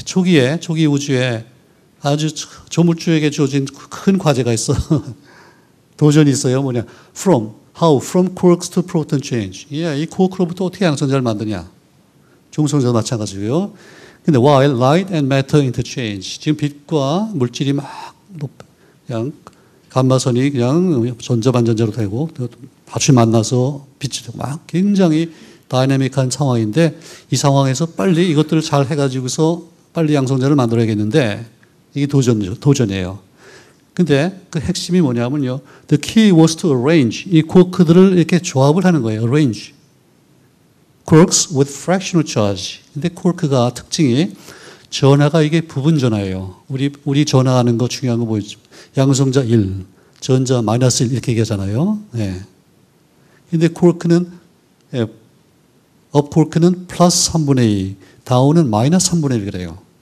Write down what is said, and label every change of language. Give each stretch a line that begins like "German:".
Korean: 초기에, 초기 우주에 아주 조물주에게 주어진 큰 과제가 있어. 도전이 있어요. 뭐냐.
English: From, how, from quarks to proton change.
Korean: 예, 이 quark로부터 어떻게 양성자를 만드냐. 중성자도 마찬가지고요. 근데
English: while light and matter interchange,
Korean: 지금 빛과 물질이 막 뭐 그냥 감마선이 그냥 전자 반전자로 되고 같이 만나서 빛이 되고 막 굉장히 다이내믹한 상황인데 이 상황에서 빨리 이것들을 잘 해가지고서 빨리 양성자를 만들어야겠는데 이게 도전이에요. 근데 그 핵심이 뭐냐면요.
English: The key was to arrange
Korean: 이 쿼크들을 이렇게 조합을 하는 거예요.
English: Arrange. Quarks with fractional charge.
Korean: 근데 쿼크가 특징이 전하가 이게 부분 전하예요. 우리 전하하는 거 중요한 거 뭐죠? 양성자 1, 전자 마이너스 1 이렇게 얘기하잖아요. 네. 근데 쿼크는 예. 업 쿼크는 플러스 3분의 2, 다운은 마이너스 3분의 1 그래요.